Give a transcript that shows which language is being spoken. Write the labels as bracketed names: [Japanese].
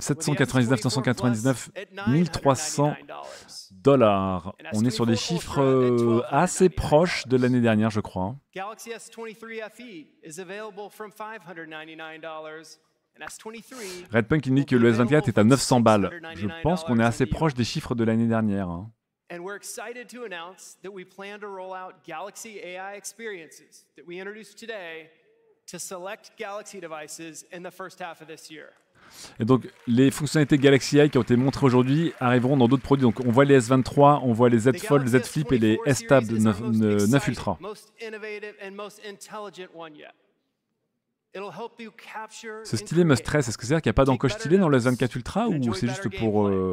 [English] 799, 999, 1300 dollars. [French] On est sur des chiffres assez proches de l'année dernière, je crois. [English] Galaxy S23 FE est available from 599 dollars. [French] Redpunk, il dit que le S24 est à 900 balles. Je pense qu'on est assez proche des chiffres de l'année dernière. [English] And we're excited to announce that we plan to roll out Galaxy AI Experiences that we introduced today to select Galaxy devices in the first half of this year. [French] Et donc, les fonctionnalités Galaxy AI qui ont été montrées aujourd'hui arriveront dans d'autres produits. Donc, on voit les S23, on voit les Z Fold, les Z Flip et les S Tab 9 Ultra. Ce stylet me stresse. Est-ce que c'est-à-dire qu'il n'y a pas d'encoche stylet dans le S24 Ultra ou c'est juste pour...